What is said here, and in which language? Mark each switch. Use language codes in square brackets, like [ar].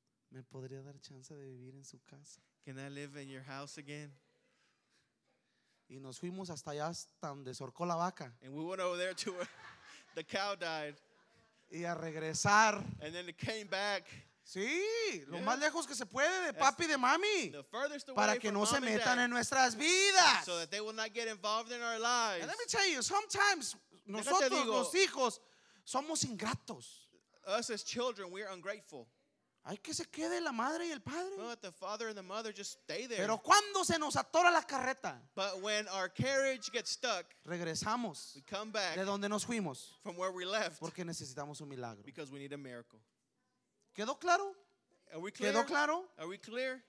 [es] ¿Me podría dar chance de vivir en su casa? [en] Can I live in your house again? [es] Y nos fuimos hasta allá hasta donde sorcó la vaca. [en] And we went over there to where the cow died. [es] Y a regresar. [en] And then it came back. [es] Sí, lo yeah. Más lejos que se puede de papi y de mami. [en] The furthest away [es] para que [en] from [es] no [en] mom [es] se metan en nuestras vidas. [en] So that they will not get involved in our lives. And let me tell you, sometimes [es] nosotros, digo, los hijos, somos ingratos. [en] Us as children, we are ungrateful. [es] Hay que se quede la madre y el padre. [en] But the father and the mother just stay there. [es] Pero cuando se nos atora la carreta. [en] But when our carriage gets stuck. [es] Regresamos. [en] We come back. [es] De donde nos fuimos. [en] From where we left. [es] Porque necesitamos un milagro. [en] Because we need a miracle. [es] ¿Quedó claro? [en] Are we clear? [es] ¿Quedó claro? [en] Are we clear?